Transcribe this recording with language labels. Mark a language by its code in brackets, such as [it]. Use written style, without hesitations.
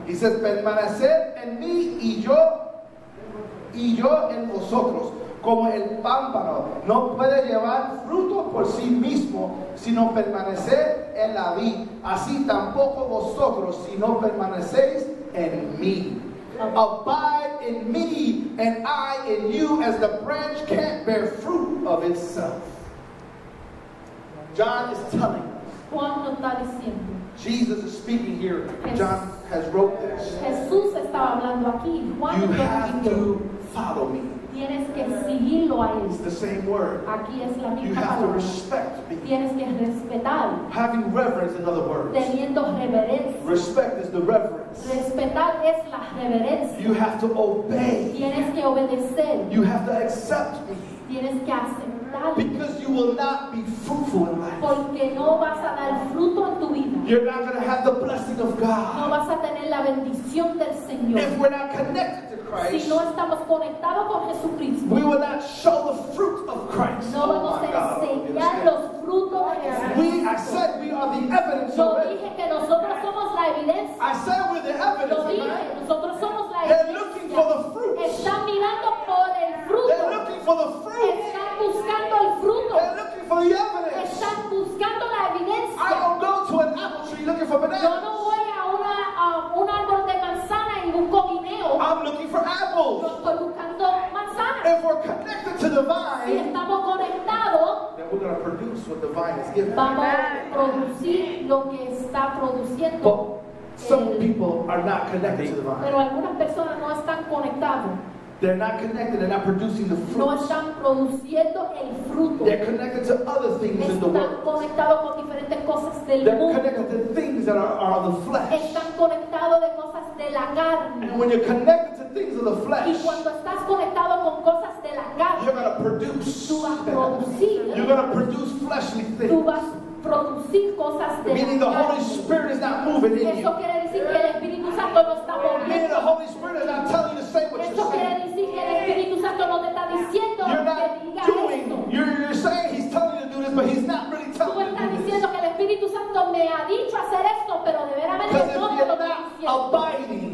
[en] He says, [es] permanecer en mí y yo en vosotros, como el pámpano no puede llevar fruto por sí mismo, sino permanecer en la vid. Así tampoco vosotros, si no permanecéis en mí. [en] Abide in me, and I in you, as the branch can't bear fruit of itself. John is telling us. [es] Juan nos está diciendo. [en] Jesus is speaking here. John has wrote this. [es] Jesús estaba hablando aquí. Juan [en] you have to follow me. [es] Tienes que seguirlo a él. [en] It's the same word. [es] Aquí es la misma [en] you [es] palabra. [en] Have to respect me. [es] Tienes que respetar. [en] Having reverence, in other words. [es] Teniendo reverencia. [en] Respect is the reverence. [es] Respetar es la reverencia. [en] You have to obey. [es] Tienes que obedecer. [en] You have to accept me. [es] Tienes que aceptar. [en] Because you will not be fruitful in life. [es] Porque no vas a dar fruto en tu vida. [en] You're not going to have the blessing of God. [es] No vas a tener la bendición del Señor. [en] If we're not connected to Christ, [es] si no estamos conectados con Jesucristo, [en] we will not show the fruit of Christ. [es] No vamos a enseñar los frutos de Jesús. [en] We, I said we are the evidence of it. [es] Yo dije que nosotros somos la evidencia. [en] I said we're the evidence of it. [es] Nosotros somos la evidencia. [en] They're looking for the fruit. [es] Están mirando por el fruto. [en] They're looking for the fruit. [es] Están buscando el fruto. [en] They're looking for the evidence. [es] Están buscando la evidencia. [en] I don't go to an apple tree looking for bananas. [es] Yo no voy a una un árbol de manzana y busco guineo. [en] I'm looking for apples. [es] Yo estoy buscando manzanas. [en] If we're connected to the vine, [es] si estamos conectados, [en] then we're going to produce what the vine is giving. [es] Vamos a producir lo que está produciendo. [en] Some people are not connected to the vine. [es] Pero algunas personas no están conectadas. [en] They're not connected. They're not producing the fruit. [es] No están produciendo el fruto. [en] They're connected to other things [es] están [en] in the world. [es] Conectado con diferentes cosas del [en] they're [es] mundo. [en] Connected to things that are of the flesh. [es] Están conectado de cosas de la carne. [en] And when you're connected to things of the flesh, [es] y cuando estás conectado con cosas de la carne, [en] you're going to produce. [es] Tú vas producir. [en] You're going to produce fleshly things. [es] Tú vas producir cosas de [en] meaning the Holy Spirit is not moving in you. [es] Eso quiere decir que el Espíritu Santo no está moviendo. [en] Meaning the Holy Spirit is not telling you to say what [es] eso [en] you're saying. [es] Eso quiere decir que el Espíritu Santo no te está diciendo [en] you're not [es] que digas [en] doing. [es] Esto. [en] You're saying he's telling you to do this, but he's not really telling you to do this. [es] Tú estás diciendo que el Espíritu Santo me ha dicho hacer esto, pero de verdad no te lo está diciendo.